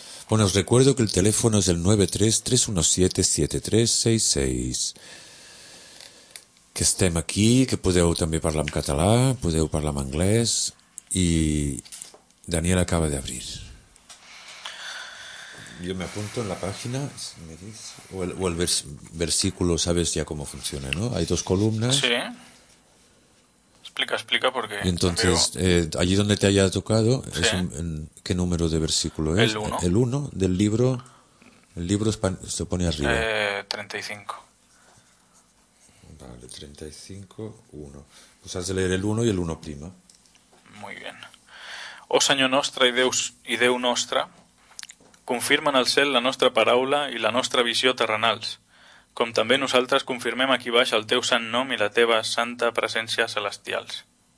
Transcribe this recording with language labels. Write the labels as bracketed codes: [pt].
[es] Bueno, os recuerdo que el teléfono es el 933177366. [ca] Que estem aquí, que podeu també parlar en català, podeu parlar en anglès, i Daniel acaba d'abrir. [es] Yo me apunto en la página, me dice, o el versículo, sabes ya cómo funciona, ¿no? Hay dos columnas. Sí. Explica, porque... Y entonces, allí donde te haya tocado, sí. ¿Qué número de versículo es? El 1. El 1 del libro, se pone arriba. 35. Vale, 35, 1. Pues has de leer el 1 y el 1 prima. Muy bien. [ca] O Senyor nostre i Déu nostre... confirmen al cel la nostra paraula i la nostra visió terrenals, com també nosaltres confirmem aquí baix el teu sant nom i la teva santa presència celestials.